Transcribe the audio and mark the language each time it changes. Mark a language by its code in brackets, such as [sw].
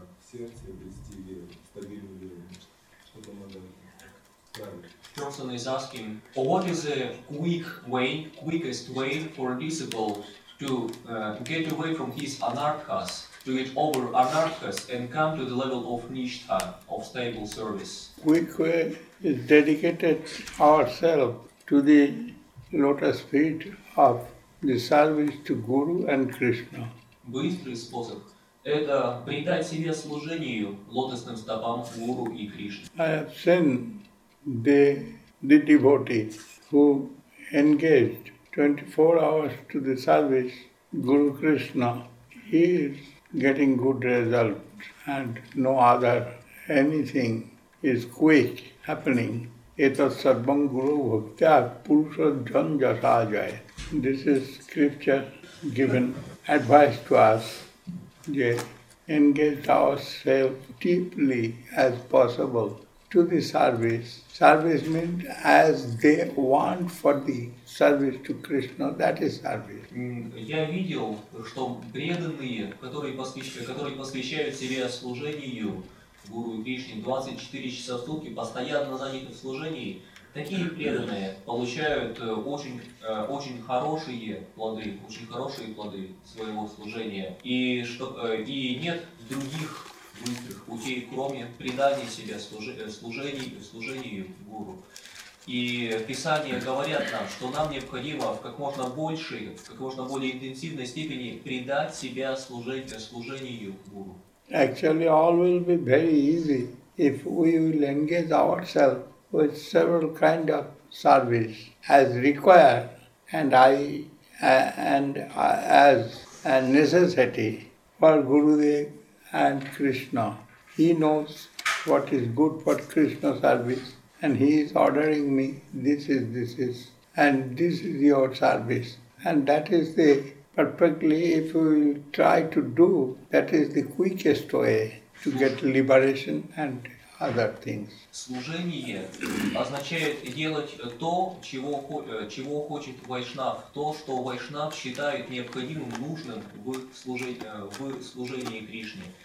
[ru] сердце обрести веру, стабильную веру, что помогает. [en] Person is asking, what is a quickest way for disciple to get away from his anarthas, to get over anarthas and come to the level of nishtha, of stable service? Quick way is dedicated ourselves to the lotus feet of the service to Guru and Krishna. [ru] Быстрый способ – это предать себя служению лотосным стопам Гуру и Кришне. [en] I have seen the devotees who engaged 24 hours to the service Guru Krishna, he is getting good results and no other anything is quick happening. [sa] Etat sarvam guru bhaktya purusha jan jata jaye. [en] This is scripture given advice to us to engage ourselves deeply as possible to the service. Service means as they want for the service to Krishna, that is service. [ru] Я видел, что преданные, которые посвящают себя служению Гуру и Кришне 24 часа в сутки, постоянно заняты в служении, такие преданные получают очень хорошие плоды, очень хорошие плоды своего служения. И нет других быстрых путей, кроме предания себя служению Гуру. И Писания говорят нам, что нам необходимо в как можно более интенсивной степени предать себя служению Гуру. [en] Actually, all will be very easy if we will engage ourselves with several kind of service as required and as a necessity for Gurudev and Krishna. He knows what is good for Krishna service and he is ordering me, this is, and this is your service. And that is the perfectly, if we will try to do, that is the quickest way to get liberation and other things. [ru] Служение означает делать то, чего хочет Вайшнав, то, что Вайшнав считает необходимым, нужным в служении Кришне.